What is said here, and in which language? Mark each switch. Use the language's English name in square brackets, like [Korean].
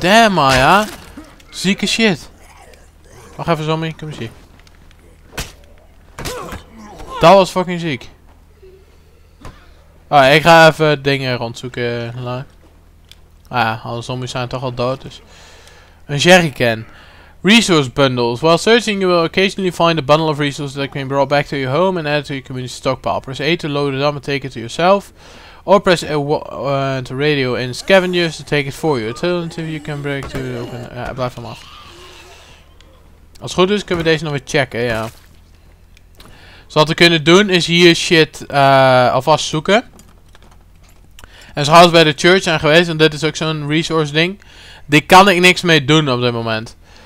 [Dutch] Damn, Maya. Zieke shit. Wacht even, zombie. Kom eens hier. Dat was fucking ziek. Oh, ik ga even dingen rondzoeken. Alle zombies zijn toch al dood, dus. Een jerrycan. [English] Resource bundles. While searching, you will occasionally find a bundle of resources that can be brought back to your home and added to your community stockpile. Press A to load it up and take it to yourself. Or press to radio in scavengers to take it for you. Alternatively, you can break to open. [Dutch] Blijf hem af. Als het goed is, kunnen we deze nog weer checken, ja. Dus wat we kunnen doen is hier shit alvast zoeken. En zoals we bij de church zijn geweest, en dit is ook zo'n resource ding. Die kan ik niks mee doen op dit moment.